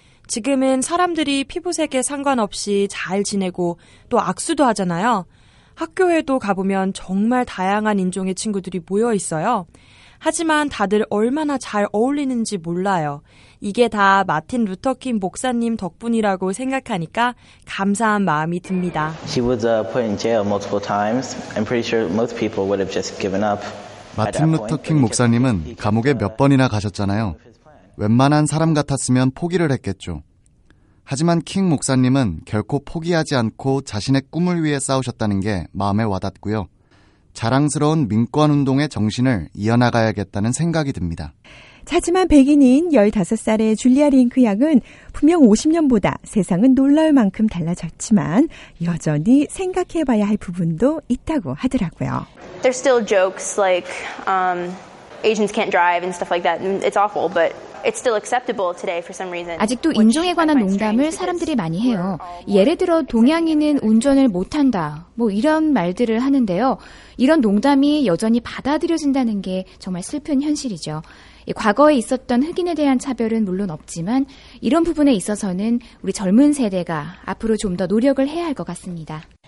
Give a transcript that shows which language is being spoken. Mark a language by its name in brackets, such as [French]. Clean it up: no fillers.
[Korean] 지금은 사람들이 피부색에 상관없이 잘 지내고 또 악수도 하잖아요. 학교에도 가보면 정말 다양한 인종의 친구들이 모여 있어요. 하지만 다들 얼마나 잘 어울리는지 몰라요. 이게 다 마틴 루터킹 목사님 덕분이라고 생각하니까 감사한 마음이 듭니다. [English] She was put in jail multiple times. I'm pretty sure most people would have just given up. [Korean] 마틴 루터킹 목사님은 감옥에 몇 번이나 가셨잖아요. 웬만한 사람 같았으면 포기를 했겠죠. 하지만 킹 목사님은 결코 포기하지 않고 자신의 꿈을 위해 싸우셨다는 게 마음에 와닿고요. 자랑스러운 민권운동의 정신을 이어나가야겠다는 생각이 듭니다. 하지만 백인인 15살의 줄리아 링크 양은 분명 50년보다 세상은 놀라울 만큼 달라졌지만 여전히 생각해봐야 할 부분도 있다고 하더라고요. [English] There's still jokes like Asians can't drive and stuff like that. It's awful, but it's still acceptable today for some reason. [Korean] 아직도 인종에 관한 농담을 사람들이 많이 해요. 예를 들어 동양인은 운전을 못한다. 뭐 이런 말들을 하는데요. 이런 농담이 여전히 받아들여진다는 게 정말 슬픈 현실이죠. 과거에 있었던 흑인에 대한 차별은 물론 없지만 이런 부분에 있어서는 우리 젊은 세대가 앞으로 좀 더 노력을 해야 할 것 같습니다.